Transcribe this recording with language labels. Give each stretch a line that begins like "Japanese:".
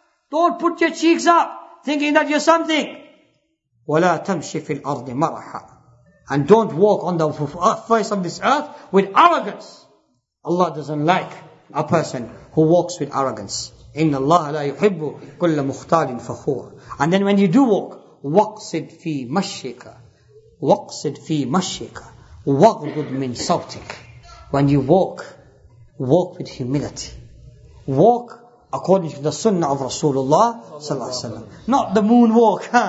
English: Don't put your cheeks up thinking that you're something.
Arabic: وَلَا تَمْشِ فِي الْأَرْضِ مَرَحًا.
English: And don't walk on the face of this earth with arrogance. Allah doesn't like a person who walks with arrogance.
Arabic: إِنَّ اللَّهَ لَا يُحِبُّ كُلَّ مُخْتَالٍ فَخُورٍ.
English: And then when you do walk,
Arabic: وَقْصِدْ فِي مَشِّكَ وَقْصِدْ فِي مَشِّكَ وَغْدُدْ مِنْ صَوْتِكَ.
English: When you walk, walk with humility. Walk according to the sunnah of Rasulullah sallallahu alaihi wasallam. Not the moonwalk.